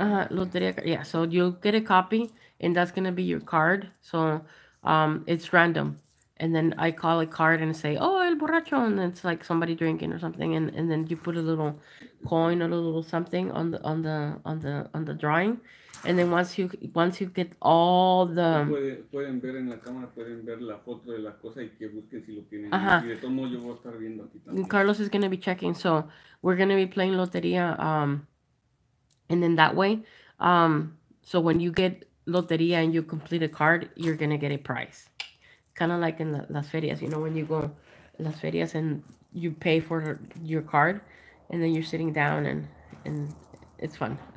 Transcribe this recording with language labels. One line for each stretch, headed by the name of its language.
English: Loteria, yeah. So you'll get a copy and that's going to be your card. So it's random. And then I call a card and say, oh, el borracho. And it's like somebody drinking or something. And then you put a little coin or a little something on the drawing. And then once you get all the...
Spanish: Pueden ver en la cámara, pueden ver la foto de la cosa y que busquen si lo tienen. Uh-huh. Y de todo modo yo voy a estar viendo aquí también.
English: Carlos is going to be checking. So we're going to be playing loteria. And then that way, so when you get loteria and you complete a card, you're going to get a prize. Kind of like in
Spanish: las ferias,
English: you know, when you go las ferias and you pay for your card and then you're sitting down and it's fun.